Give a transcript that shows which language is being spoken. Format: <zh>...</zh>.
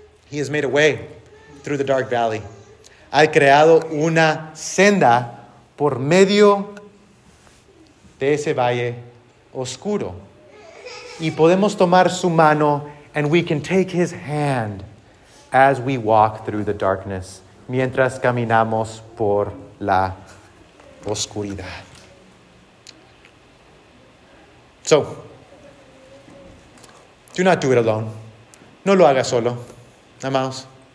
<en>He has made a way through the dark valley.</en> <es>Ha creado una senda por medio de ese valle oscuro. Y podemos tomar su mano,</es> <en>and we can take his hand as we walk through the darkness,</en> <es>mientras caminamos por la oscuridad.</es> <en>So, do not do it alone.</en> <es>No lo haga solo. Amados.</es>